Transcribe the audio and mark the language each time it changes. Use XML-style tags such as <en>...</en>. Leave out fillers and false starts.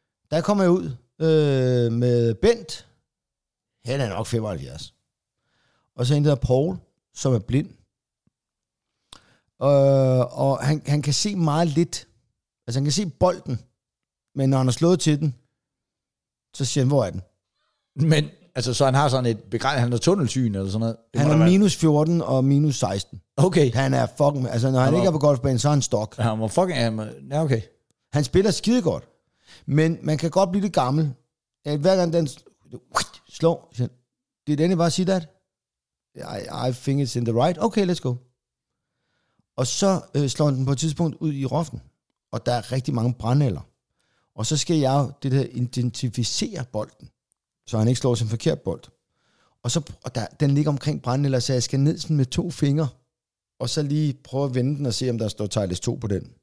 <da>Der kommer jeg ud med Bent, han er nok 75, og så en, der hedder Paul, som er blind, og han kan se meget lidt, altså han kan se bolden, men når han har slået til den, så siger han, hvor er den? Men, altså, så han har sådan et begrænset, han har tunnelsyn eller sådan noget? Han er minus 14 og minus 16. Okay. Han er fucking, altså, når han ikke er på golfbanen, så er han stok. Han var fucking, ja, okay. Han spiller skide godt, men man kan godt blive lidt gammel. Hver gang den slår, siger han,</da> <en>did anybody see that? I think it's in the right. Okay, let's go.</en> <da>Og så slår han den på et tidspunkt ud i roften, og der er rigtig mange brandnæller. Og så skal jeg det der identificere bolden, så han ikke slår sin forkert bold. Og der, den ligger omkring branden, eller så jeg skal ned sådan med to fingre, og så lige prøve at vende den og se, om der står Tejles 2 på den.</da>